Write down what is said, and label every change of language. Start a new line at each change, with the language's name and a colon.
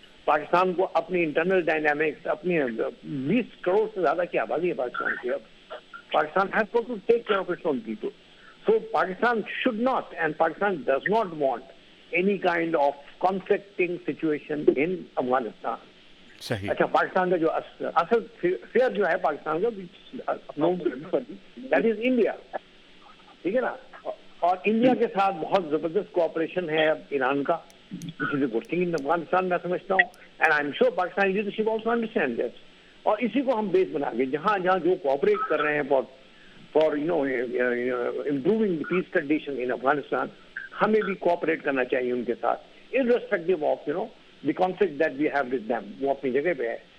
Urdu: پاکستان کو اپنی internal dynamics, اپنی 20 crore سے زیادہ کی آبادی ہے پاکستان کی, اب Pakistan
English: has got to take care of its own people. So Pakistan should not and Pakistan does not want any kind of conflicting situation in Afghanistan.
Urdu: صحیح. اچھا پاکستان کا جو اصل فیئر جو ہے پاکستان کا
English: that is India,
Urdu: ٹھیک ہے نا, اور انڈیا کے ساتھ بہت زبردست کوآپریشن ہے اب ایران کا,
English: which is a good thing in Afghanistan,
Urdu: میں سمجھتا ہوں,
English: and I am sure Pakistan leadership also understand this,
Urdu: اور اسی کو ہم بیس بنا کے جہاں جہاں جو کوآپریٹ کر رہے ہیں بہت
English: for you know improving the peace condition in Afghanistan,
Urdu: hame bhi cooperate karna chahiye unke saath,
English: irrespective of you know the conflict that we have with them,
Urdu: wo apni jagah pe hai.